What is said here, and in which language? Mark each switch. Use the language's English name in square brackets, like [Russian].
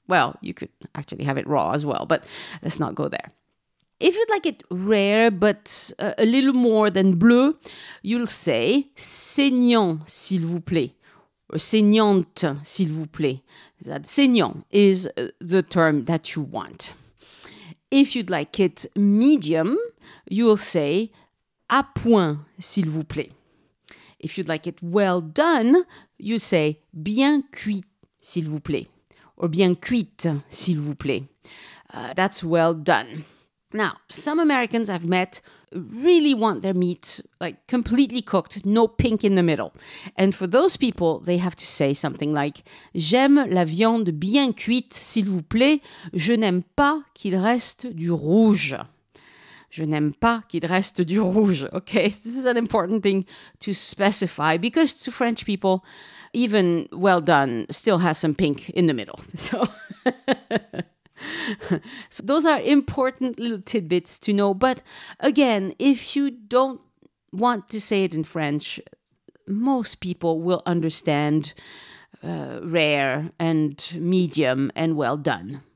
[English] Well, you could actually have it raw as well, but let's not go there. If you'd like it rare, but a little more than bleu, you'll say [French] saignant, s'il vous plaît, [English] or [French] saignante, s'il vous plaît. [English] That saignant is the term that you want. If you'd like it medium, you'll say [French] à point, s'il vous plaît. [English] If you'd like it well done, you say [French] bien cuit, s'il vous plaît, [English] or [French] bien cuite, s'il vous plaît. [English] That's well done. Now, some Americans I've met really want their meat like completely cooked, no pink in the middle. And for those people, they have to say something like [French] j'aime la viande bien cuite, s'il vous plaît. Je n'aime pas qu'il reste du rouge. Je n'aime pas qu'il reste du rouge, okay? [English] This is an important thing to specify because to French people, even well done still has some pink in the middle. So, so those are important little tidbits to know. But again, if you don't want to say it in French, most people will understand rare and medium and well done.